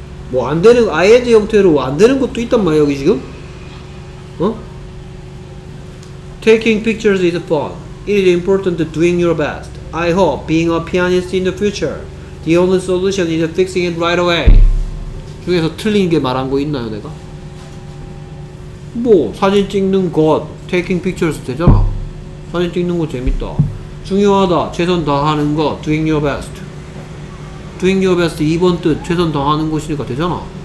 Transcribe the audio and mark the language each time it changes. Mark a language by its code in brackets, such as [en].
[ko] 뭐 안 되는 ing 형태로 안 되는 것도 있단 말이야 여기 지금? 어? [en] Taking pictures is fun. It is important doing your best. I hope being a pianist in the future. The only solution is fixing it right away. [ko] 중에서 틀린 게 말한 거 있나요, 내가? 뭐, 사진 찍는 것, [en] taking pictures [ko] 되잖아. 사진 찍는 거 재밌다. 중요하다, 최선 다하는 것, [en] doing your best. Doing your best, [ko] 2번 뜻, 최선 다하는 것이니까 되잖아.